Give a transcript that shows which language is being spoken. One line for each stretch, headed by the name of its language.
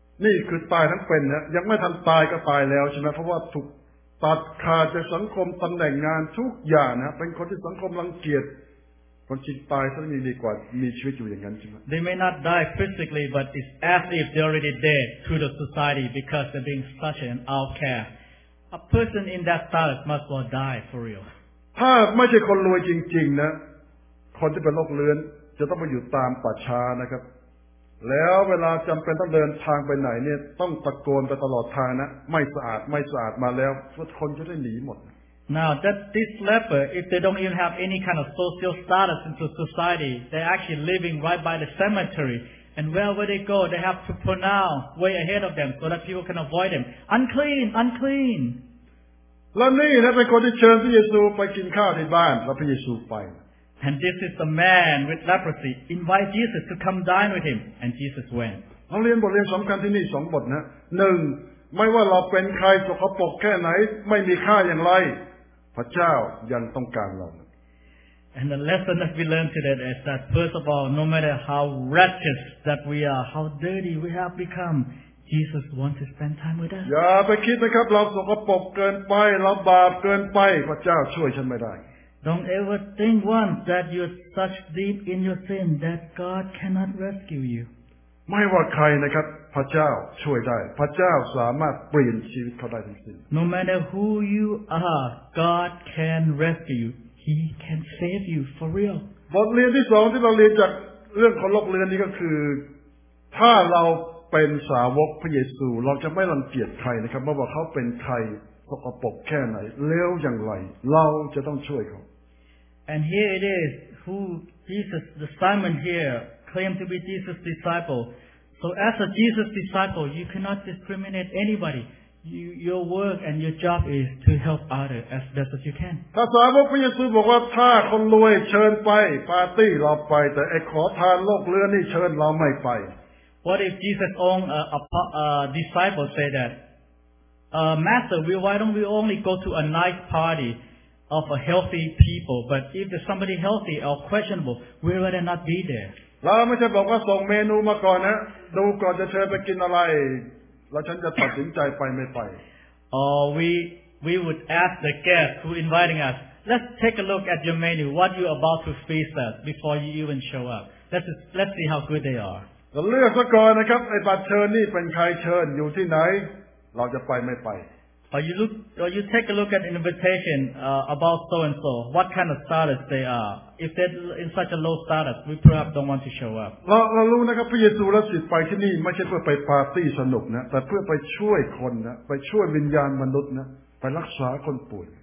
Thai: นี่คือตายทั้งเป็นนะยังไม่ทันตายก็ตายแล้วใช่ไหมเพราะว่าถูกตัดขาดจากสังคมตำแหน่งงานทุกอย่างนะเป็นคนที่สังคมรังเกียจคนจริงตายซะยังดีกว่ามีชีวิตอยู่อย่างนั้นใช่ไหม
English: They may not die physically but it's as if they're already dead to the society because they're being such an outcast A person in that status must well die for real
Thai: ถ้าไม่ใช่คนรวยจริงๆนะคนที่เป็นโรคเรื้อนจะต้องไปอยู่ตามป่าช้านะครับแล้วเวลาจำเป็นต้องเดินทางไปไหนเนี่ยต้องตะโกนไปตลอดทางนะไม่สะอาดไม่สะอาดมาแล้วทุกคนจะได้หนีหมด
English: Now that this leper if they don't even have any kind of social status into society they're actually living right by the cemetery and wherever they go they have to pronounce way ahead of them so that people can avoid them unclean unclean
Thai: แล้วนี่นะเป็นคนที่เชิญพระเยซูไปกินข้าวในบ้านแล้วพระเยซูไป
English: And this is the man with leprosy. Invite Jesus to come dine with him. And Jesus went.
Thai: เราเรียนบทเรียนสำคัญที่นี่สองบทนะหนึ่งไม่ว่าเราเป็นใครสกปรกแค่ไหนไม่มีค่าอย่างไรพระเจ้ายังต้องการเรา
English: And the lesson that we learned today is that first of all, no matter how wretched that we are, how dirty we have become, Jesus wants to spend time with us.
Thai: อย่าไปคิดนะครับเราสกปรกเกินไปเราบาปเกินไปพระเจ้าช่วยฉันไม่ได้
English: Don't ever think once that you're such deep in your sin that God cannot rescue you.
Thai: ไม่ว่าใครนะครับพระเจ้าช่วยได้พระเจ้าสามารถเปลี่ยนชีวิตเขาได้จริง
English: ๆ No matter who you are, God can rescue you. He can save you for real.
Thai: บทเรียนที่สองที่เราเรียนจากเรื่องของโลกเรือนนี้ก็คือถ้าเราเป็นสาวกพระเยซูเราจะไม่รังเกียจใครนะครับไม่ว่าเขาเป็นใครสกปรกแค่ไหนเลวอย่างไรเราจะต้องช่วยเขา
English: And here it is who Jesus the Simon here claimed to be Jesus' disciple. So as a Jesus disciple, you cannot discriminate anybody. Your work and your job is to help others as best as you can.
Thai: ถ้าสาวกพระเยซูบอกว่าถ้าคนรวยเชิญไปปาร์ตี้เราไปแต่ไอ้ขอทานโลกเลื่อนนี่เชิญเราไม่ไป
English: What if Jesus own a disciple say thatMaster, why don't we only go to a nice party of a healthy people? But if there's somebody healthy or questionable, we rather not be there.
Thai: เราไม่ใช่บอกว่าส่งเมนูมาก่อนนะดูก่อนจะเชิญไปกินอะไรแล้วฉันจะตัดสินใจไปไม่ไป
English: We would ask the guest who inviting us. Let's take a look at your menu. What you about to feast at before you even show up? Let's see how good they are.
Thai: เลือกซะก่อนนะครับไอ้บัตรเชิญนี่เป็นใครเชิญอยู่ที่ไหนเราจะไปไม่ไป
English: Or you take a look at an invitation about so and so. What kind of status they are? If they're in such a low status, we perhaps don't want to show up.
Thai: เรารู้นะครับพระเยซูและสิทธิ์ไปที่นี่ไม่ใช่เพื่อไปปาร์ตี้สนุกนะแต่เพื่อไปช่วยคนนะไปช่วยวิญญาณมนุษย์นะไปรักษาคนป่วย